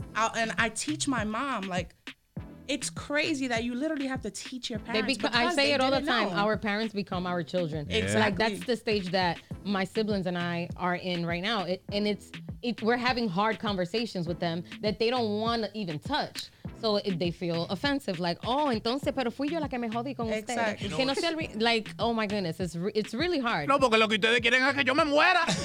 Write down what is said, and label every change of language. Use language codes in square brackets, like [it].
[en] And I teach my mom, like, it's crazy that you literally have to teach your parents. Our parents become our children. Exactly. Like, that's the stage that my siblings and I are in right now. We're having hard conversations with them that they don't want to even touch. So they feel offensive. [es] Like, oh, entonces, pero fui yo la que me jodí con usted. [en] Exactly. [es] Que no sea, [en] like, oh my goodness, it's really hard. [es] No, porque lo que ustedes quieren es que yo me muera.